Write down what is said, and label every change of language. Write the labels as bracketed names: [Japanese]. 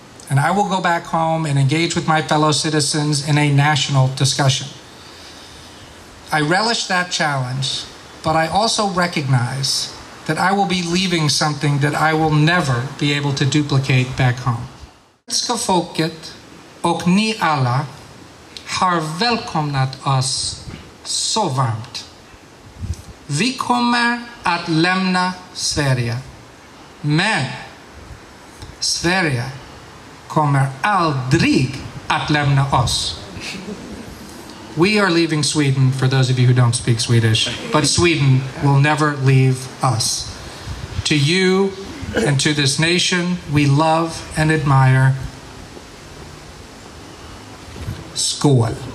[English] And I will go back home and engage with my fellow citizens in a national discussion. I relish that challenge, but I also recognize that I will be leaving something that I will never be able to duplicate back home. [Swedish] Svenska folket och ni alla har välkomnat oss så varmt. Vi kommer att lämna Sverige, men Sverige kommer aldrig att lämna oss. [English] We are leaving Sweden, for those of you who don't speak Swedish, but Sweden will never leave us. To you and to this nation, we love and admire. [Swedish] skål.